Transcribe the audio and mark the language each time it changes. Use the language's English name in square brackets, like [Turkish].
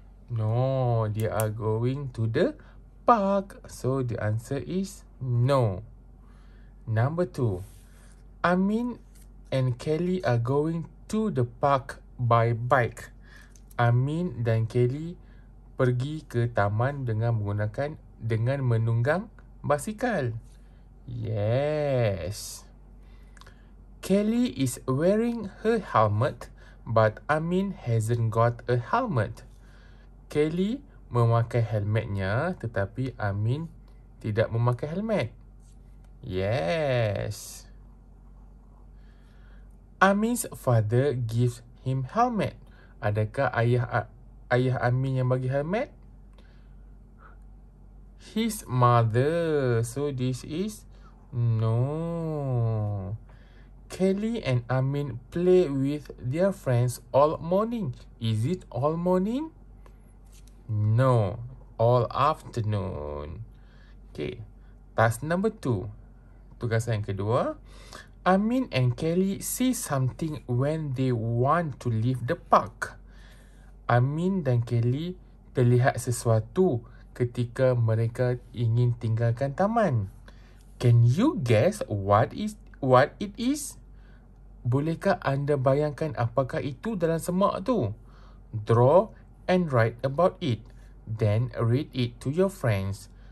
[English] No, they are going to the park. So, the answer is no. Number two. Amin and Kelly are going to the park by bike. [Malay] Amin dan Kelly pergi ke taman dengan menunggang basikal. [English] Yes. Kelly is wearing her helmet, but Amin hasn't got a helmet. [Malay] Kelly memakai helmetnya tetapi Amin tidak memakai helmet. [English] Yes. Amin's father gives him helmet. [Malay] Adakah ayah Amin yang bagi helmet? [English] His mother. So this is no. Kelly and Amin play with their friends all morning. Is it all morning? No, all afternoon. Okay, task number two. [Malay] Tugasan yang kedua. [English] Amin and Kelly see something when they want to leave the park. [Malay] Amin dan Kelly terlihat sesuatu ketika mereka ingin tinggalkan taman. [English] Can you guess what it is? [Malay] Bolehkah anda bayangkan apakah itu dalam semak tu? [English] Draw and write about it. Then read it to your friends.